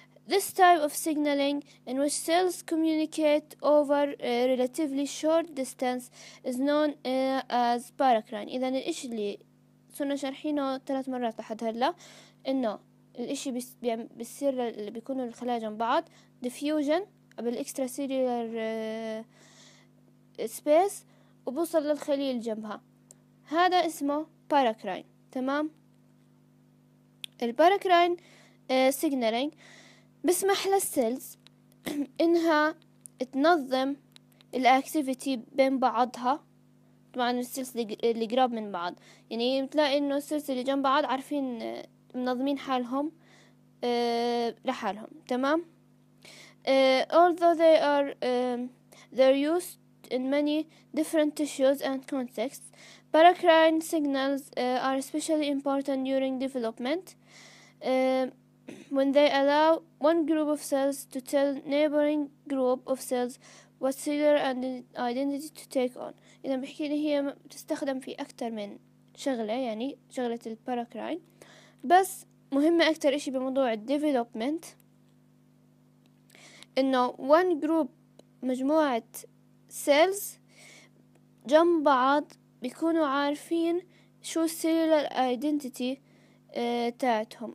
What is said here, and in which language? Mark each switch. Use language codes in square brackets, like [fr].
[en] This type of signaling in which cells communicate over a relatively short distance is known as paracrine. [ar] إذن الإشي اللي صرنا شرحينه ثلاث مرات لحد هلا إنه الإشي بيصير اللي بيكونوا الخلايا جنب بعض diffusion قبل extracellular سبيس وبوصل للخلية جنبها، هذا اسمه باراكراين. تمام، الباراكراين سيجنالينج بسمح للسيلز انها تنظم الاكتيفيتي بين بعضها. طبعا السيلز اللي قراب من بعض، يعني بتلاقي انه السيلز اللي جنب بعض عارفين منظمين حالهم لحالهم. تمام، [en] although they are they're used in many different tissues and contexts, paracrine signals are especially important during development when they allow one group of cells to tell neighboring group of cells what cellular and identity to take on. [ar] إذا بحكي لي هي تستخدم في أكثر من شغلة، يعني شغلة الباراكراين بس مهمة أكثر إشي بموضوع الديفلوبمنت، إنه [en] one group [ar] مجموعة سيلز جنب بعض بيكونوا عارفين شو السيلولر ايدنتيتي تاعتهم.